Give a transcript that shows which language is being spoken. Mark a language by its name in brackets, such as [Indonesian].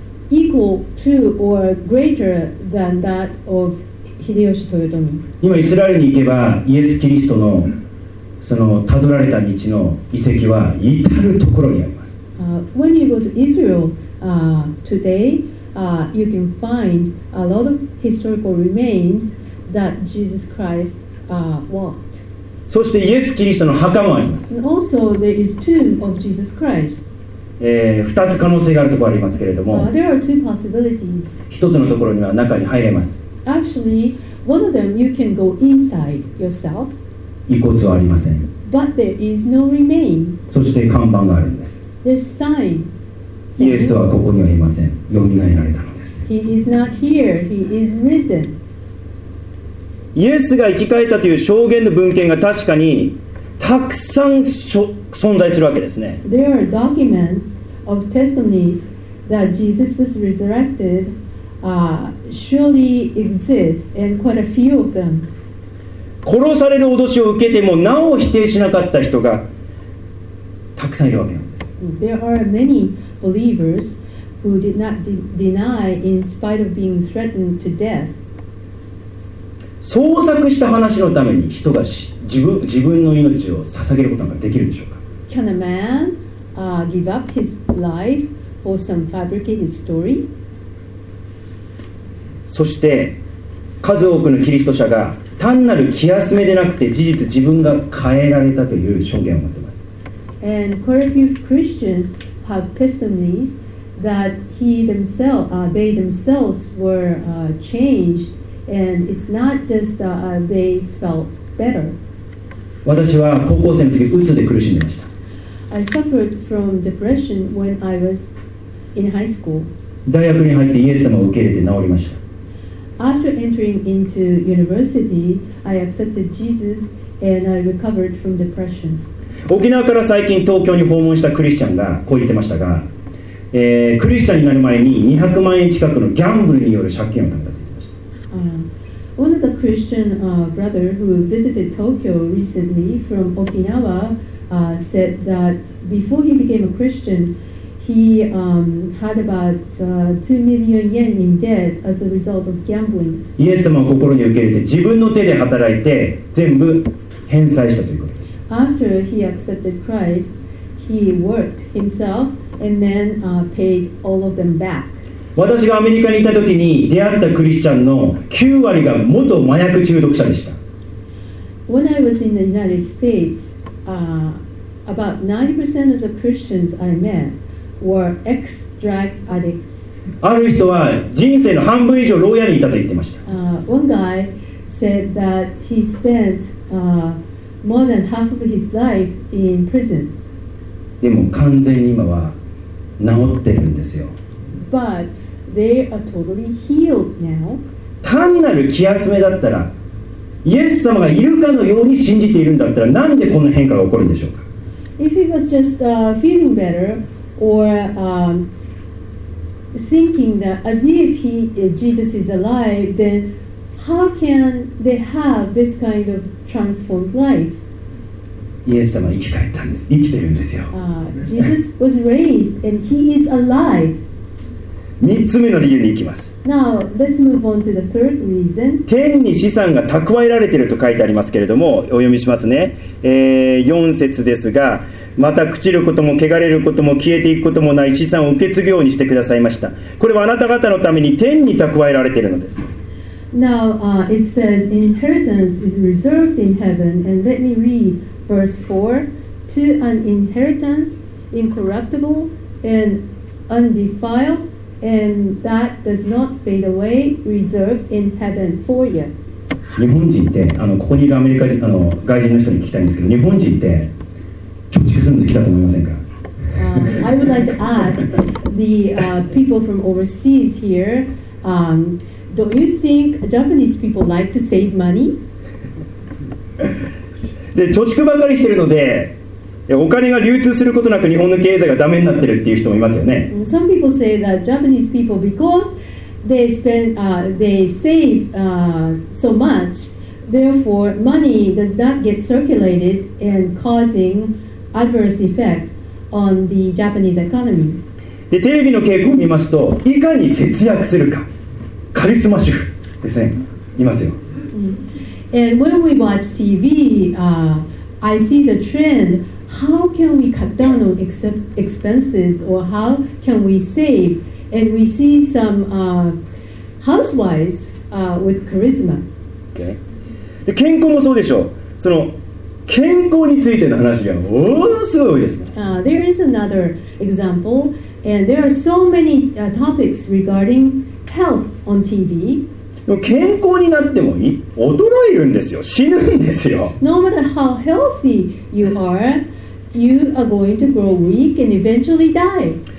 [English] equal to or greater than that of Hideyoshi Toyotomi. [Japanese] 今イスラエルに行けばイエス・キリストのその辿られた道の遺跡は至る所にあります。 [English] When you go to Israel today, you can find a lot of historical remains that Jesus Christ walked. [Japanese] そしてイエス・キリストの墓もあります。 [English] And also there is tomb of Jesus Christ. [Japanese] 2つ可能性があるところありますけれども、 [English] there are two possibilities. [Japanese] 1つのところには中に入れます。 [English] Actually, one of them you can go inside yourself. [Japanese] 遺骨はありません。 [English] But there is no remain. [Japanese] そして看板があるんです。 [English] There's sign. [Japanese] イエスはここにはいません。蘇られたのです。 [English] He is not here. He is risen. [Japanese] イエスが生き返ったという証言の文献が確かにたくさん存在するわけですね。 [English] There are documents of testimonies that Jesus was resurrected, surely exist, and quite a few of them. [Japanese] 殺される脅しを受けてもなお否定しなかった人がたくさんいるわけなんです。 [English] There are many believers who did not deny in spite of being threatened to death. [Japanese] 創作した話のために人が自分の命を捧げることができるでしょうか。 [English] Can a man, give up his life for some fabricated story? [Japanese] そして数多くのキリスト者が単なる気休めでなくて事実自分が変えられたという証言を持っています。 [English] And quite a few Christians have testimonies that they themselves were changedAnd it's not just they felt better. [Japanese] 私は高校生の時うつで苦しんでました。 [English] I suffered from depression when I was in high school. [Japanese] 大学に入ってイエス様を受け入れて治りました。 [English] After entering into university, I accepted Jesus and I recovered from depression. [Japanese] 沖縄から最近東京に訪問したクリスチャンがこう言ってましたが、クリスチャンになる前に200万円近くのギャンブルによる借金を負った。 [English] One of the Christian brother who visited Tokyo recently from Okinawa said that before he became a Christian, he had about 2 million yen in debt as a result of gambling. [Japanese] イエス様を心に受け入れて自分の手で働いて全部返済したということです。 [English] After he accepted Christ, he worked himself and then paid all of them back. [Japanese] 私がアメリカにいたときに出会ったクリスチャンの9割が元麻薬中毒者でした。 [English] When I was in the United States, about 90% of the Christians I met were ex-drug addicts. [Japanese] ある人は人生の半分以上牢屋にいたと言ってました。 [English] One guy said that he spent more than half of his life in prison. [Japanese] でも完全に今は治ってるんですよ。 [English] But they are totally healed now. [Japanese] 単なる気休めだったら、イエス様がいるかのように信じているんだったら、なんでこんな変化が起こるんでしょうか。 [English] If he was just feeling better or thinking that as if Jesus is alive, then how can they have this kind of transformed life? [Japanese] イエス様は生き返ったんです。生きてるんですよ。 [English] Jesus was raised and he is alive. [Japanese] 3つ目の理由に行きます。 [English] Now, let's move on to the third reason. [Japanese] 天に資産が蓄えられていると書いてありますけれども、お読みしますね、4節ですが、また朽ちることも汚れることも消えていくこともない資産を受け継ぐようにしてくださいました。これはあなた方のために天に蓄えられているのです。 [English] Now, it says, inheritance is reserved in heaven. And let me read verse 4. To an inheritance incorruptible and undefiled, and that does not fade away, reserved in heaven for you. [Japanese] 日本人って、ここにいるアメリカ人、外人の人に聞きたいんですけど、日本人って貯蓄するの好きだと思いませんか？ [English] I would like to ask the people from overseas here, Don't you think Japanese people like to save money? [Japanese] で、貯蓄ばかりしてるので、お金が流通することなく日本の経済がダメになってるっていう人もいますよね。 [English] Some people say that Japanese people, because they spend, they save, so much, therefore money does not get circulated and causing adverse effect on the Japanese economy. [Japanese] で、テレビの傾向を見ますと、いかに節約するか。カリスマ主婦ですね、いますよ。 [English] And when we watch TV, I see the trend. How can we cut down on expenses, or how can we save? And we see some housewives with charisma. Okay. [Japanese] で、健康もそうでしょう。その健康についての話がものすごい多いですね。 [English] There is another example, and there are so many topics regarding health. On TV. [Japanese] 健康になってもいい、衰えるんですよ、死ぬんですよ。 [English] No matter how healthy you are, you are going to grow weak and eventually die.